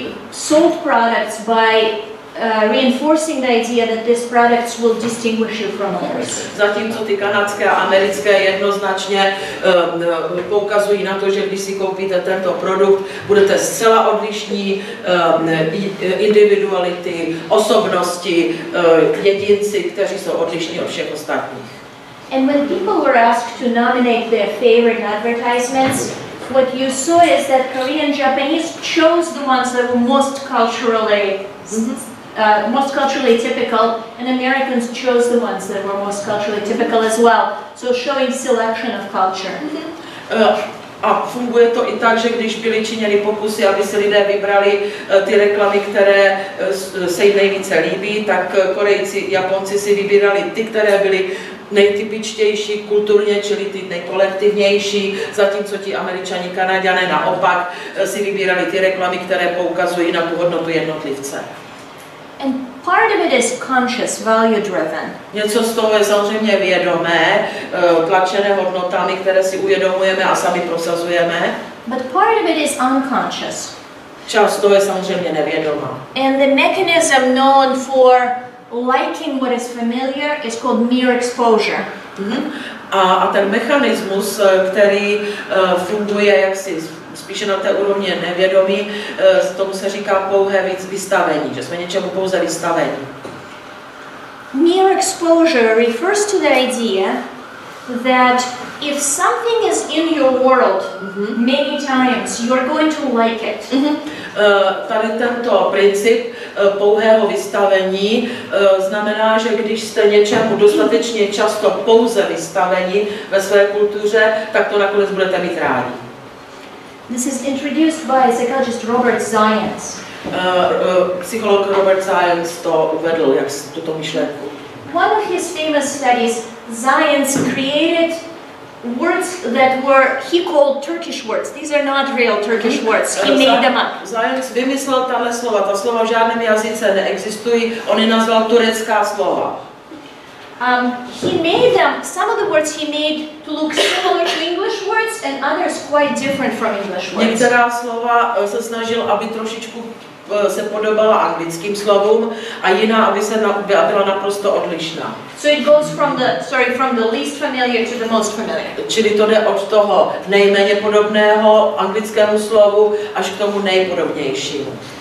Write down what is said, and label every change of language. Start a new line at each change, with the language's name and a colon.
English: sold products by reinforcing the idea that these products will distinguish you from others.
Czech: Zatímco ty kanadské a americké jednoznačně poukazují na to, že když si koupíte tento produkt, budete zcela odlišní individuality, osobnosti, jedinci, kteří jsou odlišní od všech ostatních.
English: And when people were asked to nominate their favorite advertisements, what you saw is that Korean Japanese chose the ones that were most culturally most culturally typical, and Americans chose the ones that were most culturally typical as well. So showing selection of culture.
Czech: A funguje to i tak, že když byly činěny pokusy, aby si lidé vybrali ty reklamy, které se jim nejvíce líbí, tak Korejci, Japonci si vybírali ty, které byly nejtypičtější kulturně, čili ty nejkolektivnější, zatímco ti Američani, Kanaďané naopak si vybírali ty reklamy, které poukazují na tu hodnotu jednotlivce.
English: And part of it is conscious, value-driven.
Czech: Něco z toho je samozřejmě vědomé, tlačené hodnotami, které si uvědomujeme a sami prosazujeme.
English: But part of it is unconscious.
Czech: Často je samozřejmě nevědomá.
English: And the mechanism known for liking what is familiar is called mere exposure.
Czech: A ten mechanismus, který funguje jaksi spíše na té úrovni nevědomí, z tomu se říká pouhé víc vystavení, že jsme něčemu pouze vystavení.
English: Mere exposure refers to the idea that if something is in your world many times, you're going to like it.
Czech: Tady tento princip pouhého vystavení znamená, že když jste něčemu dostatečně často pouze vystaveni ve své kultuře, tak to nakonec budete mít rádi.
English: This is introduced by psychologist Robert Zients.
Czech: Psycholog Robert Zients to uvedl, jak tuto myšlenku.
English: One of his famous studies, Zients created words that were, he called Turkish words. These are not real Turkish words. He made them up.
Czech: Zients vymyslel tahle slova. Ta slova v žádném jazyce neexistují. On je nazval turecká slova.
English: He made them, some of the words he made to look similar to English words and others quite different from English words.
Czech: Některá slova se snažil, aby trošičku se podobala anglickým slovům a jiná, aby se byla naprosto odlišná.
English: So it goes from the, sorry, from the least familiar to the most familiar.
Czech: Čili to jde od toho nejméně podobného anglickému slovu až k tomu nejpodobnějšímu.